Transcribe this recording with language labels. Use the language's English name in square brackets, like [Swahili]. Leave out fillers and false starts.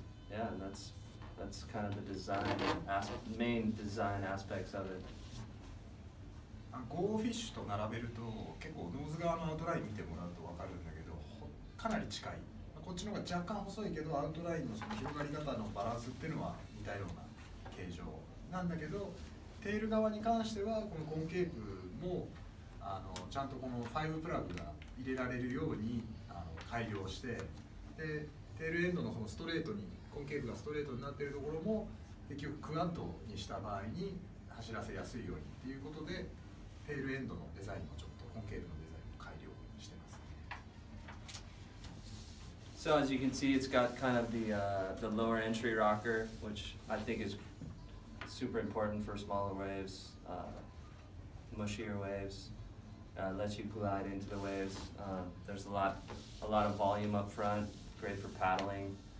[English] That's kind of the design main design aspects of it. [Japanese] Go Fish と並べると結構ノーズ側のアウトライン見てもらうと分かるんだけど、かなり近い。こっちの方が若干細いけど、アウトラインの広がり方のバランスっていうのは似たような形状なんだけど、テール側に関してはこのコンケープもちゃんとこの5プラグが入れられるように改良して、でテールエンドのそのストレートにコンケーブがストレートになっているところも結局クワントにした場合に走らせやすいようにということで、テールエンドのデザインもちょっとコンケーブのデザインも改良してます、ね。 [English] So as you can see, it's got kind of the lower entry rocker, which I think is super important for smaller waves, mushier waves. Lets you glide into the waves. There's a lot of volume up front, great for paddling.